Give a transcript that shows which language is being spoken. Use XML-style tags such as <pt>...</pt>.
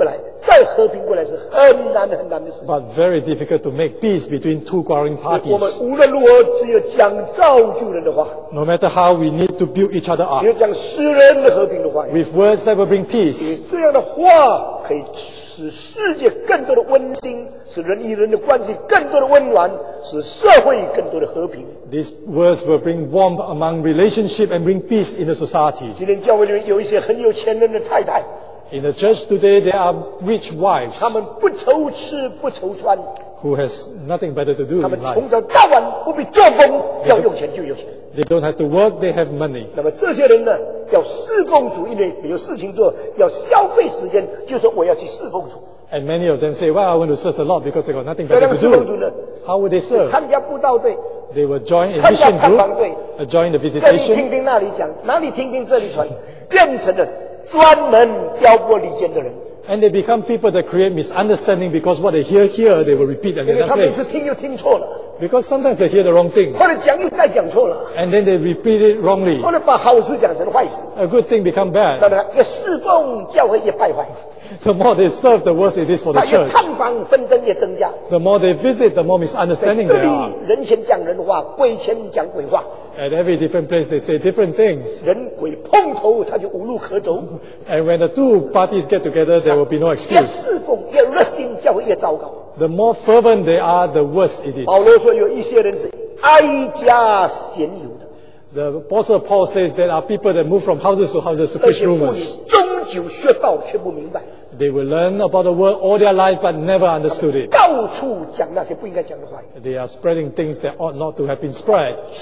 <zh>但已经有了成见的人再回过来，再和平过来是很难很难的事。</zh> <en>But very difficult to make peace between two quarreling parties.</en> <zh>我们无论如何只有讲造就人的话。</zh> <en>No matter how, we need to build each other up.</en> <zh>只有讲世人和平的话。</zh> <en>With words that will bring peace.</en> <zh>这样的话可以使世界更多的温馨。使人与人的关系更多的温暖, 使社会更多的和平。</zh> <en>These words will bring warmth among relationship and bring peace in the society.</en> <zh>今天教会里面有一些很有钱人的太太。</zh> <en>In the church today, there are rich wives.</en> <zh>他们不愁吃不愁穿。</zh> <en>Who has nothing better to do in life.</en> <zh>他们从早到晚不必做工, 要用钱就有钱。</zh> <en>They don't have to work, they have money.</en> <zh>那么这些人呢, 要侍奉主, 因为没有事情做, 要消费时间, 就说我要去侍奉主。</zh> <en>And many of them say, well, I want to serve the Lord because they got nothing better to do. How would they serve?</en> <zh>参加布道队,</zh> <en>they would join a mission group, join the visitation.</en> <zh>这里听听那里讲, 哪里听听这里传, 变成了专门挑拨离间的人。</zh> <en>And they become people that create misunderstanding because what they hear here, they will repeat at another place.</en> <zh>因为他们是听又听错了。</zh> <en>Because sometimes they hear the wrong thing.</en> <zh>或者讲又再讲错了。</zh> <en>And then they repeat it wrongly.</en> <zh>或者把好事讲成坏事。</zh> <en>A good thing become bad.</en> <zh>当然越侍奉教会越败坏。</zh> <en>The more they serve, the worse it is for the church. The more they visit, the more misunderstanding there are.</en> <zh>人前讲人话, 鬼前讲鬼话。</zh> <en>At every different place, they say different things.</en> <zh>人鬼碰头, 他就无路可走。</zh> <en>And when the two parties get together, there will be no excuse.</en> <zh>越侍奉, 越热心, 教会越糟糕。</zh> <en>The more fervent they are, the worse it is.</en> <zh>保罗说有一些人是哀家闲游的。</zh> <en>The Apostle Paul says there are people that move from houses to houses to preach rumors.</en> <zh>而且妇女终究学道却不明白。</zh> <en>They will learn about the world all their life but never understood it.</en> <zh>到处讲那些不应该讲的话。</zh> <en>They are spreading things that ought not to have been spread.</en>